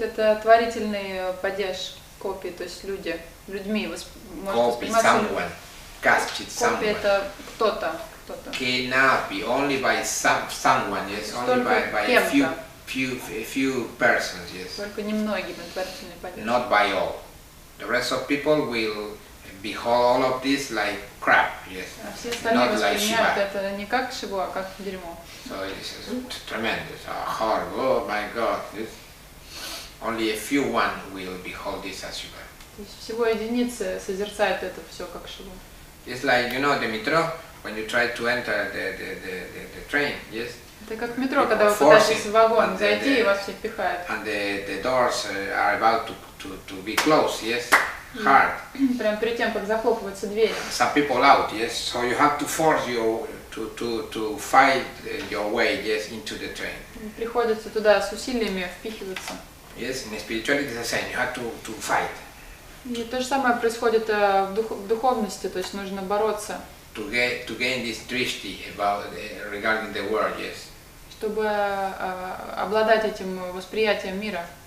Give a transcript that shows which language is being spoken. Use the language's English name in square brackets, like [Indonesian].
[Russian] Это творительный падеж копи, то есть люди, людьми. [English] Копи, someone. Kaschit, someone. [Russian] Это кто-то. [English] Kenapi, only by someone, yes. Only by a few persons, yes. [Russian] Только немногим творительный падеж. [English] Not by all. The rest of people will behold all of this like crap, yes. Not like Shiva. [Russian] Шиву, [English] so it's tremendous, horrible, oh my God. Yes. Only a few one will behold this as Shiva. It's like, you know, the metro, when you try to enter the train, yes. [Russian] Это как метро, когда вы пытаетесь в вагон зайти, и вас все пихают. [English] And the doors are about to be closed, yes? Hard. [Russian] Прямо перед тем, как захлопываются двери. [English] Some people out, yes? So you have to force you to fight your way, yes, into the train. [Russian] Приходится туда с усилиями впихиваться. [English] Yes, in spirituality it's the same. You have to fight. [Russian] И то же самое происходит в духовности, то есть нужно бороться. [English] To gain this drishti about regarding the world, yes. [Russian] Чтобы обладать этим восприятием мира.